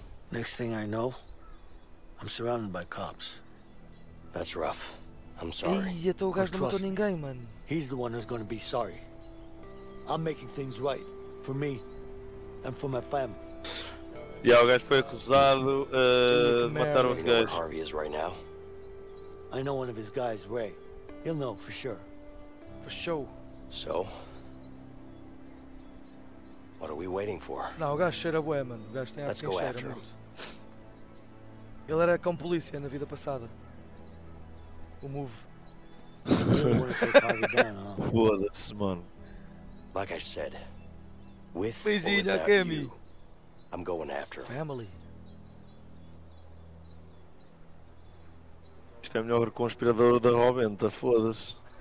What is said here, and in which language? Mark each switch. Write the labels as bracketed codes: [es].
[en] Next thing I know, I'm surrounded by cops. That's rough. I'm sorry. [pt] Ei, até o gajo não matou ninguém, mano. [en] He's the one who's gonna be sorry. I'm making things right. For me and for my family. [pt] E yeah, o gajo foi acusado de matar outro gajo. [en] Harvey is right now. I know one of his guys, Ray. He'll know for sure. For sure. So, what are we waiting for? [pt] Não, o gajo cheira bué, mano. O gajo tem [en] Let's [pt] a [en] go after him. [pt] Ele era com polícia na vida passada. O move. Foda-se, mano. [en] Like I said, with or without you, I'm going after him. Family. [pt] Isto é melhor conspirador da Roventa, foda-se.